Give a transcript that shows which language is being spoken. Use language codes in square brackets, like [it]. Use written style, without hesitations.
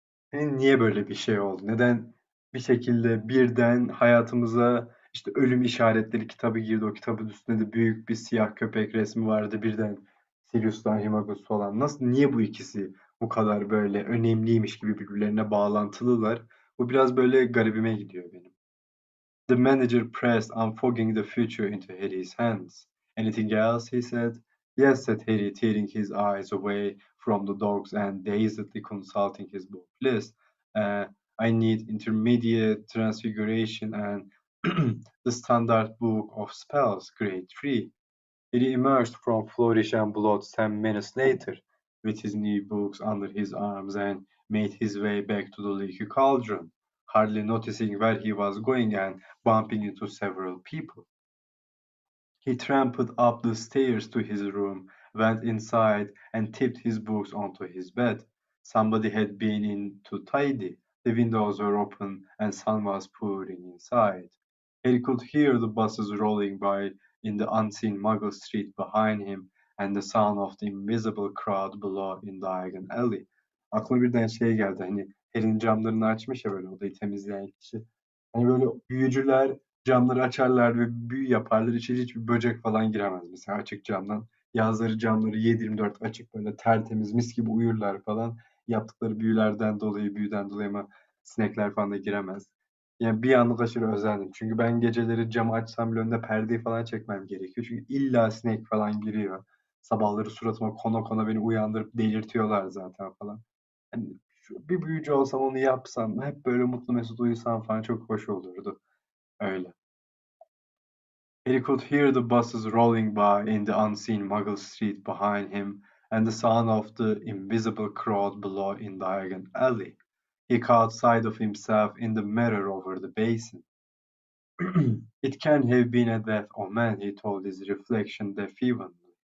[tr] Hani niye böyle bir şey oldu? Neden bir şekilde birden hayatımıza işte ölüm işaretleri kitabı girdi. O kitabın üstünde de büyük bir siyah köpek resmi vardı. Birden Sirius'tan Himagus falan. Nasıl, niye bu ikisi bu kadar böyle önemliymiş gibi birbirlerine bağlantılılar? Bu biraz böyle garibime gidiyor benim. [en] The manager pressed Unfogging the Future into Harry's hands. Anything else, he said. Yes, said Harry, tearing his eyes away from the dogs and dazedly consulting his book list. I need intermediate transfiguration and the standard book of spells, grade 3. He emerged from Flourish and Blood some minutes later with his new books under his arms and made his way back to the leaky cauldron, hardly noticing where he was going and bumping into several people. He tramped up the stairs to his room, went inside, and tipped his books onto his bed. Somebody had been in to tidy. The windows were open and sun was pouring inside. Harry could hear the buses rolling by in the unseen Muggle street behind him and the sound of the invisible crowd below in Diagon Alley. [tr] Aklına birden şey geldi, hani Harry'nin camlarını açmış ya böyle, odayı temizleyen kişi. Hani böyle büyücüler camları açarlar ve büyü yaparlar, içeri hiçbir böcek falan giremez mesela açık camdan. Yazları camları 7/24 açık, böyle tertemiz mis gibi uyurlar falan. Yaptıkları büyüden dolayı mı sinekler falan da giremez. Yani bir anlık aşırı özendim. Çünkü ben geceleri cam açsam bile önünde perdeyi falan çekmem gerekiyor. Çünkü illa sinek falan giriyor. Sabahları suratıma kona kona beni uyandırıp delirtiyorlar zaten falan. Yani şu, bir büyücü olsam onu yapsam, hep böyle mutlu mesut uyusam falan çok hoş olurdu. Öyle. [en] He could hear the buses rolling by in the unseen Muggle street behind him and the sound of the invisible crowd below in Diagon Alley. He caught sight of himself in the mirror over the basin. It can have been a death omen, he told his reflection defiantly.